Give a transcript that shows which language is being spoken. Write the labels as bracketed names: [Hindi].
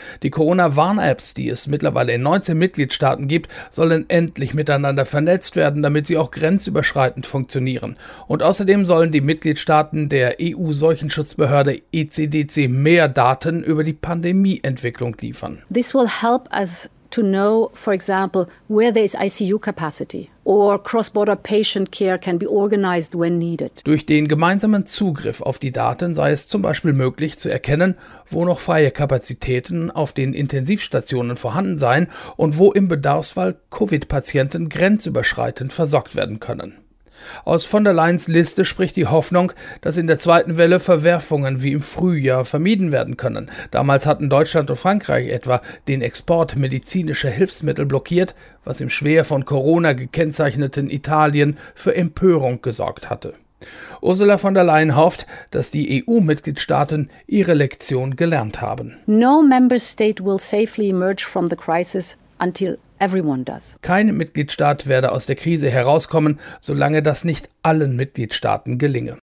[German] Die Corona-Warn-Apps, die es mittlerweile in 19 Mitgliedstaaten gibt, sollen endlich miteinander vernetzt werden, damit sie auch grenzüberschreitend funktionieren. Und außerdem sollen die Mitgliedstaaten der EU-Seuchenschutzbehörde ECDC mehr Daten über die Pandemieentwicklung liefern. [English] This will help us to know, for example, where there is ICU capacity or cross-border patient care can be organized when needed. [German] Durch den gemeinsamen Zugriff auf die Daten sei es zum Beispiel möglich zu erkennen, wo noch freie Kapazitäten auf den Intensivstationen vorhanden seien und wo im Bedarfsfall Covid-Patienten grenzüberschreitend versorgt werden können. Aus von der Leyens Liste spricht die Hoffnung, dass in der zweiten Welle Verwerfungen wie im Frühjahr vermieden werden können. Damals hatten Deutschland und Frankreich etwa den Export medizinischer Hilfsmittel blockiert, was im schwer von Corona gekennzeichneten Italien für Empörung gesorgt hatte. Ursula von der Leyen hofft, dass die EU-Mitgliedstaaten ihre Lektion gelernt haben. [English] No member state will safely emerge from the crisis until everyone does. [German] Kein Mitgliedstaat werde aus der Krise herauskommen, solange das nicht allen Mitgliedstaaten gelinge.